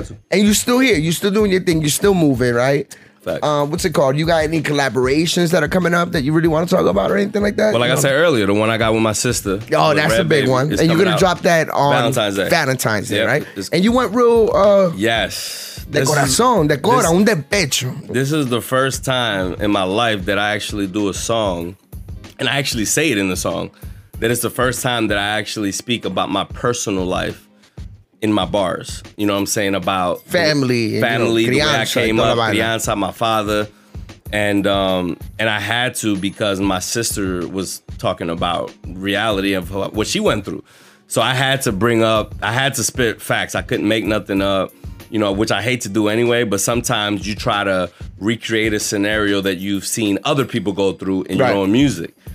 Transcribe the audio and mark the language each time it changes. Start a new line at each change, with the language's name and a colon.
English: and you're still here, you're still doing your thing, you're still moving, right? What's it called? You got any collaborations that are coming up that you really want to talk about or anything like that? Well, like you I know? Said earlier, the one I got with my sister. Oh, that's a big one. And you're going to drop that on Valentine's Day. Valentine's Day, yep, right? And you went real... Yes.
Spanish: De corazón, de corazón, de pecho.
English: This is the first time in my life that I actually do a song, and I actually say it in the song, that it's the first time that I actually speak about my personal life in my bars, you know what I'm saying, about family, you know, the way I came up, crianza, my father, and I had to because my sister was talking about reality of what she went through, so I had to bring up, I had to spit facts, I couldn't make nothing up, you know, which I hate to do anyway, but sometimes you try to recreate a scenario that you've seen other people go through in right. your own music.